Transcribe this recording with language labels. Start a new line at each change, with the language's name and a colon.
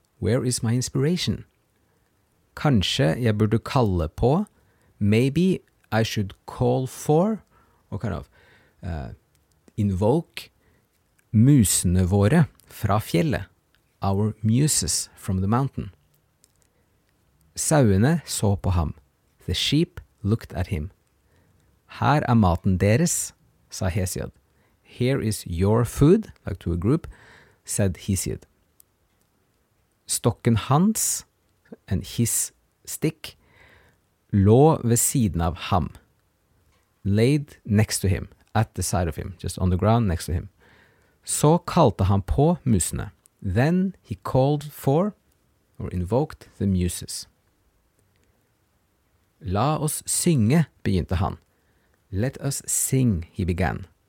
English: Where is my inspiration?
Norwegian: Kanskje jeg burde kalle på,
English: maybe I should call for, or kind of invoke,
Norwegian: musene våre fra fjellet,
English: our muses from the mountain.
Norwegian: Sauene så på ham.
English: The sheep looked at him.
Norwegian: Her maten deres, sa Hesiod.
English: Here is your food, like to a group, said Hesiod.
Norwegian: Stokken hans,
English: and his stick,
Norwegian: lå ved siden av ham.
English: Laid next to him, at the side of him, just on the ground next to him.
Norwegian: Så kalte han på musene.
English: Then he called for, or invoked, the muses.
Norwegian: La oss synge, begynte han.
English: Let us sing, he began.